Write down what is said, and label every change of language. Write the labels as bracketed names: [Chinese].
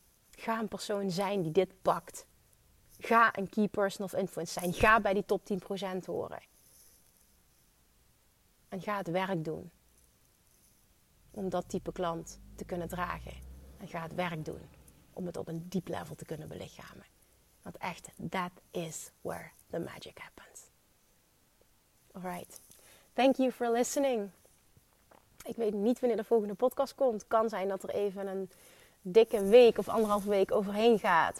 [Dutch] Ga een persoon zijn die dit pakt. Ga een key person of influence zijn. Ga bij die top 10% horen. En ga het werk doen om dat type klant te kunnen dragen. En ga het werk doen om het op een diep level te kunnen belichamen. Want echt, [English] that is where the magic happens. Alright, thank you for listening. [Dutch] Ik weet niet wanneer de volgende podcast komt. Het kan zijn dat er even een dikke week of anderhalve week overheen gaat.